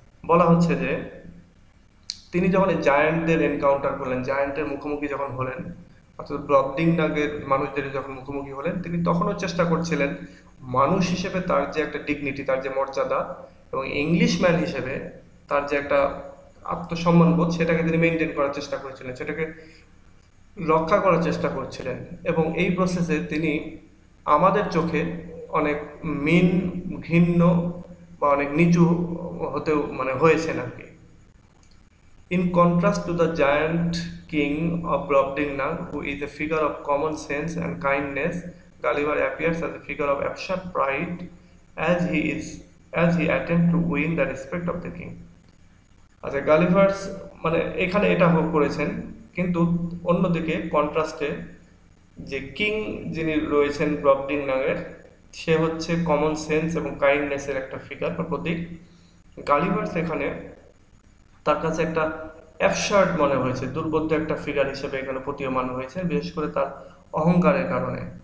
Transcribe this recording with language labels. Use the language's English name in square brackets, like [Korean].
[Bangla] বলা হচ্ছে যে তিনি যখন জায়ান্টদের এনকাউন্টার করলেন, জায়ান্টের মুখোমুখি যখন হলেন, অর্থাৎ ব্রকডিং নাগের মানুষদের যখন মুখোমুখি হলেন, তিনি তখনও চেষ্টা করছিলেন মানুষ হিসেবে তার যে একটা ডিগনিটি, তার যে মর্যাদা, এবং ইংলিশ ম্যান হিসেবে তার যে একটা আত্মসম্মানবোধ, সেটাকে তিনি মেনটেন করার চেষ্টা করেছিলেন, সেটাকে রক্ষা করার চেষ্টা করছিলেন। এবং এই প্রসেসে তিনি আমাদের চোখে অনেক মিন, ঘৃণ্য বা অনেক নিচু হতেও মানে হয়েছেন আর কি। [English] In contrast to the giant king of Brobdingnag, who is a figure of common sense and kindness, Gulliver appears as a figure of absurd pride as he attempts to win the respect of the king. [Bangla] আচ্ছা, Gulliver's মানে এখানে এটা করেছেন, কিন্তু অন্যদিকে কন্ট্রাস্টে যে king যিনি রয়েছেন ব্রবডিংনাগের, সে হচ্ছে কমন সেন্স এবং কাইন্ডনেসের একটা ফিগার বা প্রতীক। গালিভার্স এখানে তার কাছে একটা অ্যাবসার্ড মনে হয়েছে, দুর্বোধ্য একটা ফিগার হিসেবে এখানে প্রতীয়মান হয়েছে, বিশেষ করে তার অহংকারের কারণে।